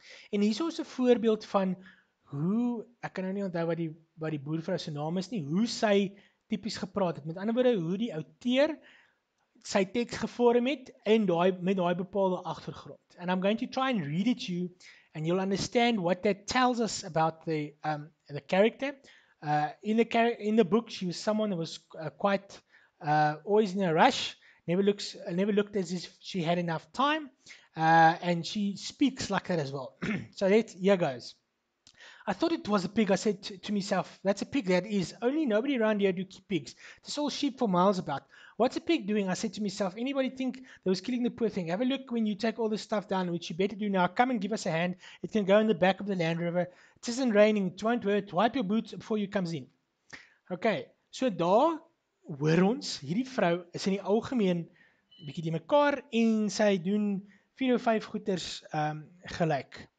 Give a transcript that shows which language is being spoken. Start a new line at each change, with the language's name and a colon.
Afrikaans: En hier is ons 'n voorbeeld van hoe, ek kan nou nie onthou wat die boervrou se naam is nie, hoe sy tipies gepraat het. Met ander woorde, hoe die outeur sy teks gevorm het en met daai bepaalde agtergrond.
English: And I'm going to try and read it to you and you'll understand what that tells us about the character. In the book she was someone who was quite always in a rush, never looked as if she had enough time, and she speaks like that as well. So here goes. I thought it was a pig. I said to myself, that's a pig, that is. Only nobody around here do keep pigs. It's all sheep for miles about. what's a pig doing? I said to myself, anybody think that was killing the poor thing? Have a look when you take all this stuff down, which you better do now. Come and give us a hand. It can go in the back of the Land Rover. It isn't raining. It won't hurt. Wipe your boots before you comes in.
Afrikaans: Okay, so daar hoor ons, hierdie vrou is in die algemeen bietjie die mekaar en sy doen 4 of 5 goeders gelyk.